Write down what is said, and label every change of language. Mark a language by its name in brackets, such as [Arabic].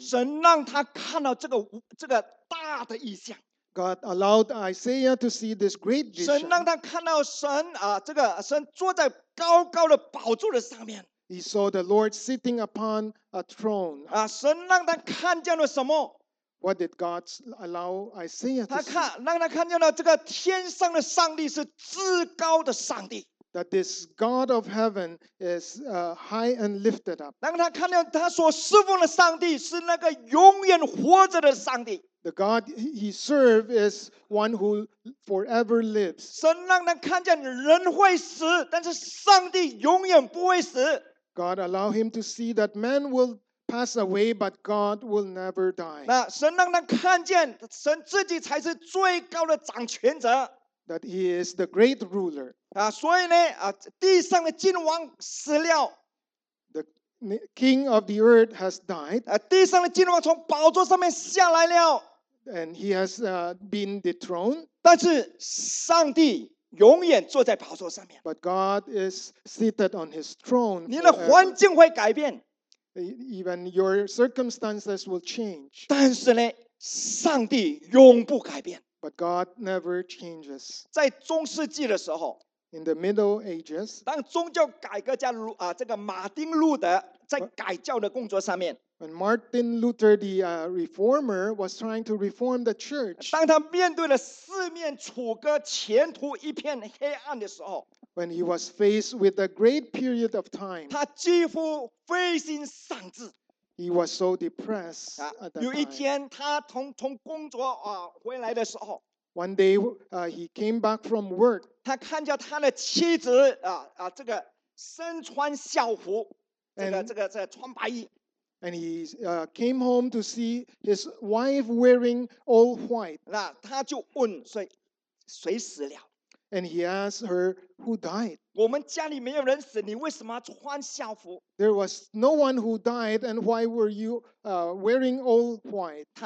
[Chinese] 神让他看到这个大的异象。 [English] God allowed Isaiah to see this great vision. [Chinese] 神让他看到神这个神坐在高高的宝座的上面。 [English] He saw the Lord sitting upon a throne. [Chinese] 神让他看见了什么 [English] ？What did God allow Isaiah to see? [Chinese] 让他看见了这个天上的上帝是至高的上帝。 [English] That this God of heaven is high and lifted up. [Chinese] 让他看到他所侍奉的上帝是那个永远活着的上帝。 [English] The God he serves is one who forever lives. [Chinese] 神让他看见人会死，但是上帝永远不会死。 [English] God allow him to see that man will pass away, but God will never die. [Chinese] 那神让他看见神自己才是最高的掌权者。 [English] That he is the great ruler. [Chinese] 所以呢，地上的君王死了。 [English] The king of the earth has died. [Chinese] 地上的君王从宝座上面下来了。 [English] And he has been dethroned. [Chinese] 但是上帝永远坐在宝座上面。 [English] But God is seated on his throne. [Chinese] 你的环境会改变。 [English] Even your circumstances will change. [Chinese] 但是呢，上帝永不改变。 [English] But God never changes. [Chinese] 在中世纪的时候 [English] ，In the Middle Ages, [Chinese] 当宗教改革家这个马丁路德在改教的工作上面 [English] ，When Martin Luther the reformer was trying to reform the church, [Chinese] 当他面对了四面楚歌、前途一片黑暗的时候 [English] ，When he was faced with a great period of time, [Chinese] 他几乎灰心丧志。 [English] He was so depressed at that time. [Chinese] 有一天他从工作回来的时候 [English] One day, he came back from work. [Chinese] 他看见他的妻子这个身穿校服这个穿白衣 [English] And he came home to see his wife wearing all white. [Chinese] 那他就问谁死了 [English] And he asked her, who died? [Chinese] 我们家里没有人死，你为什么穿校服？ [English] There was no one who died, and why were you wearing all white?